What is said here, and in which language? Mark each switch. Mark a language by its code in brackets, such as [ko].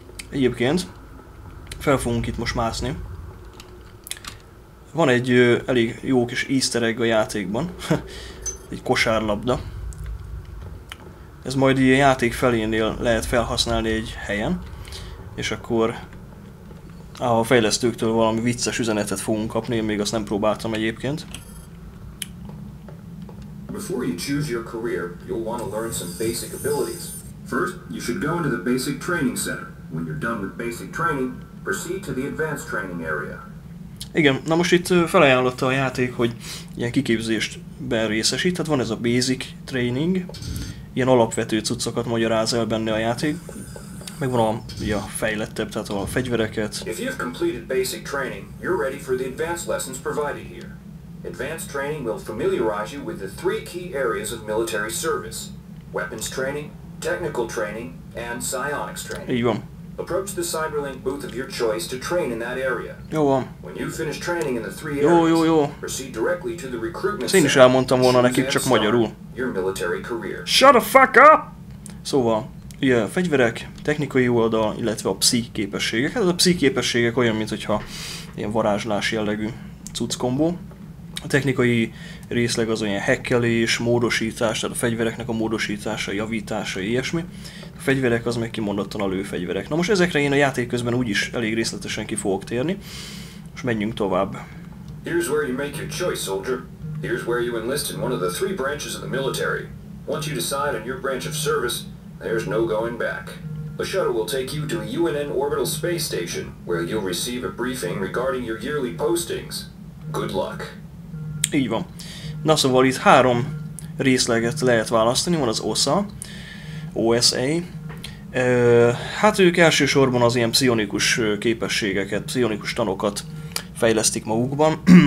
[hu] Egyébként fel fogunk itt most mászni. Van egy elég jó kis easter egg a játékban. Egy kosárlabda. Ez majd ilyen játék felénél lehet felhasználni egy helyen. És akkor a fejlesztőktől valami vicces üzenetet fogunk kapni, én még azt nem próbáltam egyébként. [en] Before you choose your career, you'll want to learn some basic abilities. First, you should go into the basic training center. When you're done with basic training, proceed to the advanced training area. [hu] Igen, na most itt felajánlotta a játék, hogy ilyen kiképzést berészesít. Tehát van ez a basic training, ilyen alapvető cuccokat magyaráz el benne a játék. Meg van a ja, fejlettebb, tehát a fegyvereket. [en] If you've completed basic training, you're ready for the advanced lessons provided here. Advanced training will familiarize you with the three key areas of military service. Weapons training, technical training, and psionics training. [hu] Így van. [en] Approach the cyberlink booth of your choice to train in that area. [hu] Jó van. [en] When you finish training in the three [hu] jó, [en] areas, [hu] jó, jó. [en] Proceed directly to the recruitment center. [hu] Én is elmondtam volna nekik, csak magyarul. [en] Your military career. Shut the fuck up! [hu] Szóval, ugye a fegyverek, technikai oldal, illetve a pszich képességek. Hát a pszich képességek olyan, mintha ilyen varázslás jellegű cucc kombó. A technikai részleg az olyan hackkelés, módosítás, tehát a fegyvereknek a módosítása, javítása, ilyesmi. A fegyverek az meg kimondottan a lőfegyverek. Na most ezekre én a játék közben úgyis elég részletesen ki fogok térni. Most menjünk tovább. [en] Here's where you make your choice, soldier. Here's where you enlist in one of the three branches of the military. Once you decide on your branch of service, there's no going back. A shuttle will take you to a UNN orbital space station, where you'll receive a briefing regarding your yearly postings. Good luck. [hu] Így van. Na szóval itt három részleget lehet választani, van az OSA, OSA. Hát ők elsősorban az ilyen pszionikus képességeket, pszionikus tanokat fejlesztik magukban.